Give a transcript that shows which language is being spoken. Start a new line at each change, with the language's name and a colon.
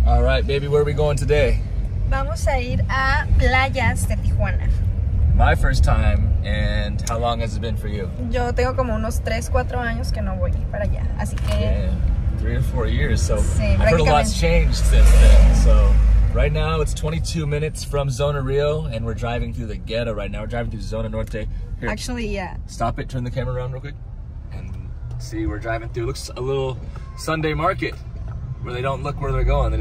English: right, baby, where are we going today?
Spanish: Vamos a ir a Playas de Tijuana.
English: My first time, and how long has it been for you?
Spanish: Yo tengo como unos 3-4 años que no voy para allá, así que...
English: Yeah, 3 or 4 years, so
Spanish: sí,
English: I've heard a lot's changed since then, so... Right now, it's 22 minutes from Zona Rio, and we're driving through the ghetto right now. We're driving through Zona Norte. Here, actually, yeah. Stop it, turn the camera around real quick, and see, we're driving through. Looks a little Sunday market, where they don't look where they're going.